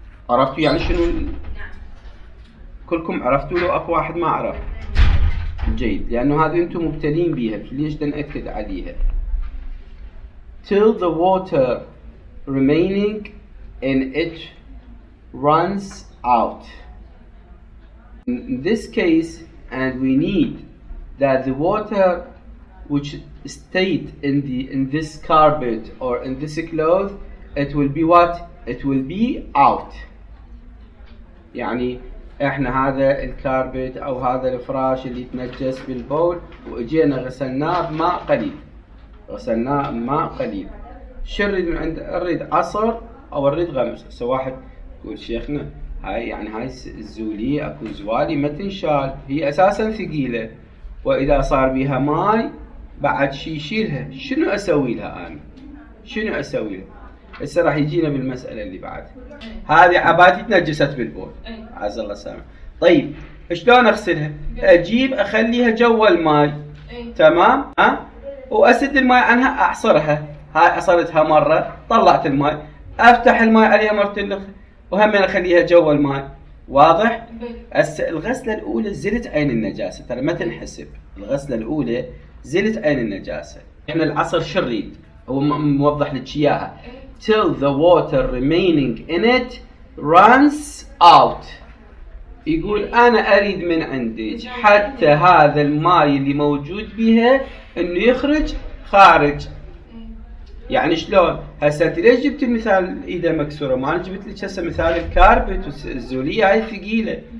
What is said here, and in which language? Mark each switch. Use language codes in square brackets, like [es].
[ar] عرفتوا يعني شنو؟ كلكم عرفتوا لو اكو واحد ما عرف؟ جيد، لانه هذه انتم مبتلين بها، ليش تنأكد عليها؟ [en] till the water remaining in it runs out. In this case, and we need that the water which stayed in the in this carpet or in this cloth, it will be what? It will be out. [ar] يعني احنا هذا الكاربت او هذا الفراش اللي تنجس بالبول واجينا غسلناه بماء قليل، غسلناه بماء قليل، شو نريد من عند؟ نريد عصر او نريد غمس. هسه واحد يقول شيخنا هاي يعني هاي الزولية اكو زوالي ما تنشال، هي اساسا ثقيلة واذا صار بيها ماي بعد شي يشيلها، شنو اسوي لها انا؟ شنو اسوي لها؟ هسه راح يجينا بالمسألة اللي بعد. هذه عباتي تنجست بالبول. عز الله سامع. طيب شلون اغسلها؟ اجيب اخليها جوا الماي. تمام؟ ها؟ واسد الماي عنها اعصرها. هاي عصرتها مرة، طلعت الماي. افتح الماي عليها مرة أخرى وهم اخليها جوا الماي. واضح؟ هسه الغسلة الأولى زلت عين النجاسة، ترى ما تنحسب. الغسلة الأولى زلت عين النجاسة. احنا العصر شو نريد؟ هو موضح لك اياها. [en] till the water remaining in it runs out. [ar] يقول انا اريد من عندك حتى هذا الماء اللي موجود بها انه يخرج خارج. يعني شلون؟ هسه انت ليش جبت المثال ايده مكسوره؟ ما انا جبت لك هسه مثال الكاربت والزوليه هاي ثقيله.